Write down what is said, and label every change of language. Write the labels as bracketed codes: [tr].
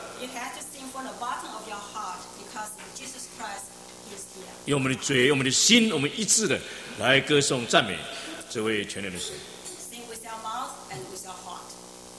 [en] You have to sing from the bottom of your heart because Jesus Christ is here. [zh] 用我们的嘴，用我们的心，我们一致的来歌颂、赞美这位全能的神。 [en] Sing with your mouth and with your heart.